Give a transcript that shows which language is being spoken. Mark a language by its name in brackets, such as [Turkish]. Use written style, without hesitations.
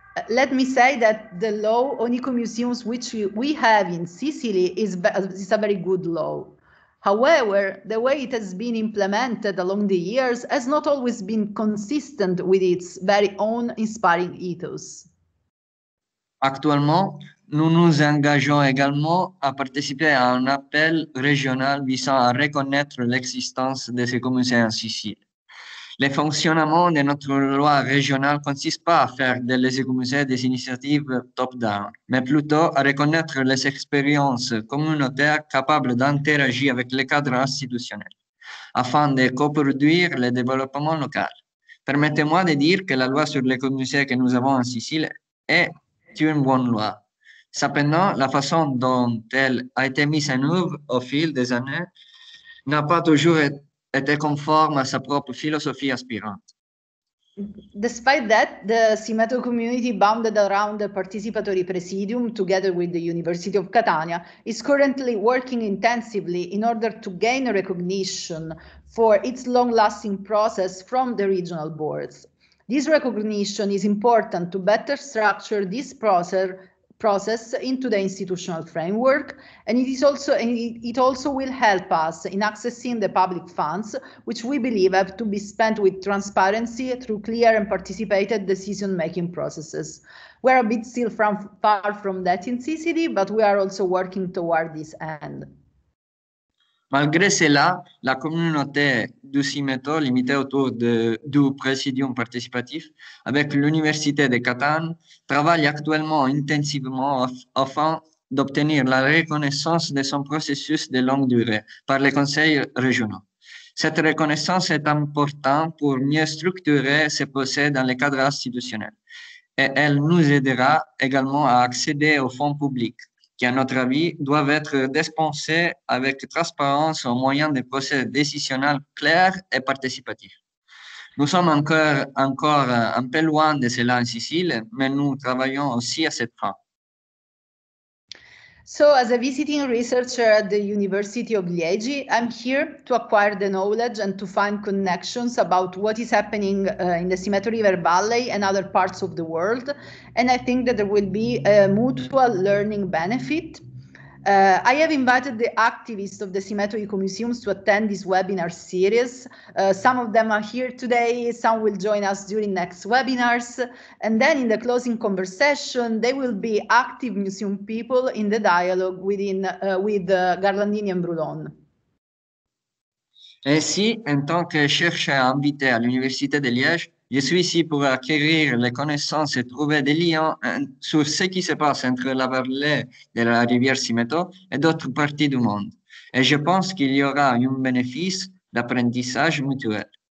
[English] Let me say that the law on eco-museums which we have in Sicily is a very good law. However, the way it has been implemented along the years has not always been consistent with its very own inspiring ethos. [French] Actuellement, nous nous engageons également à participer à un appel régional visant à reconnaître l'existence de ces communautés en Sicile. Le fonctionnement de notre loi régionale ne consiste pas à faire de les écomusées des initiatives top-down, mais plutôt à reconnaître les expériences communautaires capables d'interagir avec les cadres institutionnels, afin de coproduire le développement local. Permettez-moi de dire que la loi sur les écomusées que nous avons en Sicile est une bonne loi. Cependant, la façon dont elle a été mise en œuvre au fil des années n'a pas toujours été était conforme à sa propre philosophie aspirante. [English] Despite that, the Simeto community bounded around the participatory presidium together with the University of Catania is currently working intensively in order to gain recognition for its long-lasting process from the regional boards. This recognition is important to better structure this process into the institutional framework, and it also will help us in accessing the public funds, which we believe have to be spent with transparency through clear and participated decision-making processes. We're a bit still far from that in Sicily, but we are also working toward this end. [French] Malgré cela, la communauté du Simeto, limitée autour du Presidium participatif, avec l'Université de Catane, travaille actuellement intensivement afin d'obtenir la reconnaissance de son processus de longue durée par les conseils régionaux. Cette reconnaissance est importante pour mieux structurer ses procès dans le cadre institutionnel et elle nous aidera également à accéder aux fonds publics, qui, à notre avis, doivent être dispensés avec transparence au moyen de procès décisionnels clairs et participatifs. Nous sommes encore un peu loin de cela en Sicile, mais nous travaillons aussi à cette fin. [English] So, as a visiting researcher at the University of Liegi, I'm here to acquire the knowledge and to find connections about what is happening in the Simeto River Valley and other parts of the world. And I think that there will be a mutual learning benefit. I have invited the activists of the Simeto Ecomuseums to attend this webinar series. Some of them are here today, some will join us during next webinars. And then in the closing conversation, they will be active museum people in the dialogue with Garlandini and Brulon. [French] Ainsi, en tant que chercheur invité à l'Université de Liège, je suis ici pour acquérir les connaissances et trouver des liens sur ce qui se passe entre la vallée de la rivière Simeto et d'autres parties du monde. Et je pense qu'il y aura un bénéfice d'apprentissage mutuel.